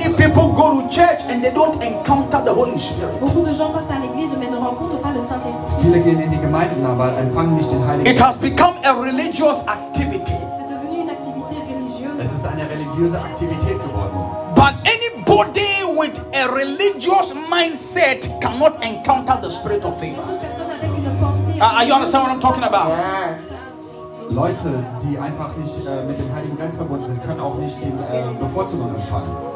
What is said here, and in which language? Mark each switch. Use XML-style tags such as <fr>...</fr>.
<en>Many people go to church and they don't encounter the Holy Spirit.</en> <fr>Beaucoup de gens partent à l'église mais ne rencontrent pas le Saint-Esprit.</fr> <de>Viele gehen in die Gemeinden, aber empfangen nicht den Heiligen</de> <en>Geist. It has become a religious activity.</en> <fr>C'est devenu une activité religieuse.</fr> <de>Es ist eine religiöse Aktivität geworden.</de> <en>But anybody with a religious mindset cannot encounter the spirit of favor. You understand what I'm talking about? Yeah.</en> <de>Leute, die einfach nicht mit dem Heiligen Geist verbunden sind, können auch nicht den Bevorzugung empfangen.</de>